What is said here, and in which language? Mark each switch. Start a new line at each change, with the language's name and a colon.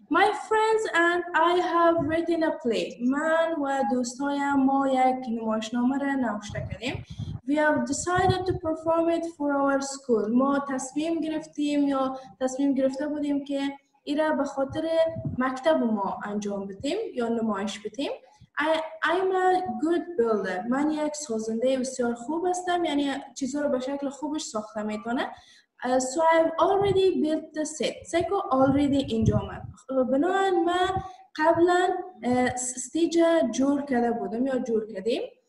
English: My friends and I have written a play.
Persian: من و دوستایم ما یک نمایشنامه را نوشته کردیم.
English: We have decided to perform it for our school.
Persian: ما تصمیم گرفتیم یا تصمیم گرفته بودیم که ایره به خاطر مکتب ما انجام بدیم یا نمایش بدیم.
English: I'm a good builder.
Persian: من یک سازنده بسیار خوب هستم. یعنی چیزها رو به شکل خوبش ساخته میتونه.
English: So I've already built the set.
Persian: سکو already انجامد. بنابراین من قبلا استیج جور کرده بودم یا جور کردیم.